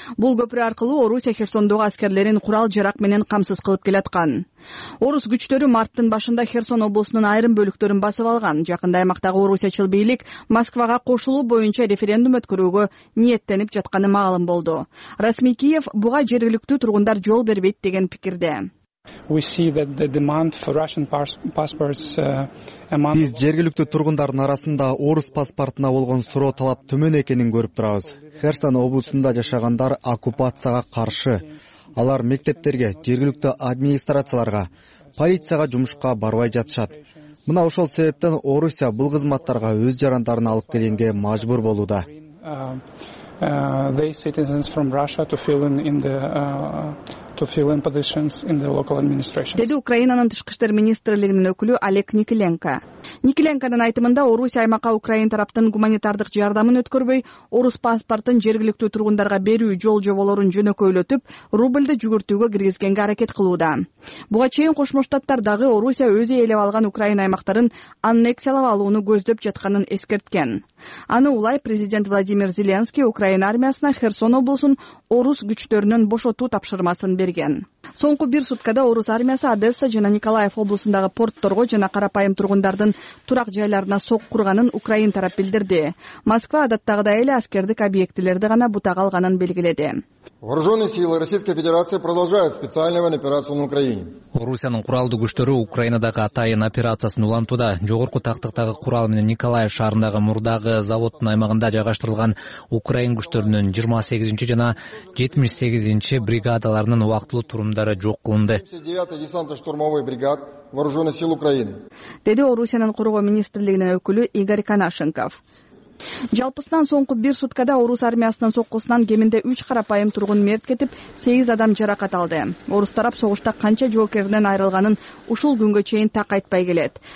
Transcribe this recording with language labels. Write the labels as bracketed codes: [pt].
[ky] Бул көпүрө аркылуу Орусия Херсондогу аскерлерин курал жарак менен камсыз кылып келаткан. Орус күчтөрү марттын башында Херсон облусунун айрым бөлүктөрүн басып алган. Жакында аймактагы орусиячыл бийлик Москвага кошулуу боюнча референдум өткөрүүгө ниеттенип жатканы маалым болду. Расмий Киев буга жергиликтүү тургундар жол бербейт деген пикирде. [en] We see that the demand for Russian passports [ky] Биз жергиликтүү тургундардын арасында орус паспортуна болгон суроо талап төмөн экенин көрүп турабыз. Херсон облусунда жашагандар оккупацияга каршы. Алар мектептерге, жергиликтүү администрацияларга, полицияга жумушка барбай жатышат. Мына ошол себептен Орусия бул кызматтарга өз жарандарын алып келгенге мажбур болууда. [en] They citizens from Russia to fill in the to fill in positions in the local administrations. [ky] Деди Украинанын тышкы иштер министрлигинин өкүлү Олег Никеленко. Никеленкодун айтымында Орусия аймакка Украина тараптын гуманитардык жардамын өткөрбөй, орус паспортун жергиликтүү тургундарга берүү жол-жоболорун жөнөкөйлөтүп, рубльды жүгүртүүгө киргизгенге аракет кылууда. Буга чейин Кошмо Штаттар дагы Орусия өзү ээлеп алган Украина аймактарын аннексиялап алууну көздөп жатканын эскерткен. Аны улай президент Владимир Зеленский Украина армиясына Херсон облусун орус күчтөрүнөн бошотуу тапшырмасын берген. Соңку бир суткада орус армиясы Одесса жана Николаев облусундагы портторго жана карапайым тургундардын турак жайларына сок курганын Украина тарап билдирди. Москва адаттагыдай эле аскердик объектилерди гана бутага алганын белгиледи. [ru] Вооруженные силы Российской Федерации продолжают специальную военную операцию на Украине. [ky] Орусиянын куралдуу күчтөрү Украинадагы атайын операциясын улантууда жогорку тактыктагы курал менен Николаев шаарындагы мурдагы заводдун аймагында жайгаштырылган украин күчтөрүнүн 28-чи жана 78-чи бригадаларынын убактылуу турумдары жок кылынды. [ru] 9-й десантно-штурмовый бригад вооруженных сил Украины. [ky] Деди Орусиянын коргоо министрлигинин өкүлү Игорь Канашенков. Жалпысынан соңку бир суткада орус армиясынын соккусунан кеминде 3 карапайым тургун мерт кетип, 8 адам жаракат алды. Орус тарап согушта канча жоокеринен айрылганын ушул күнгө чейин так айтпай келет.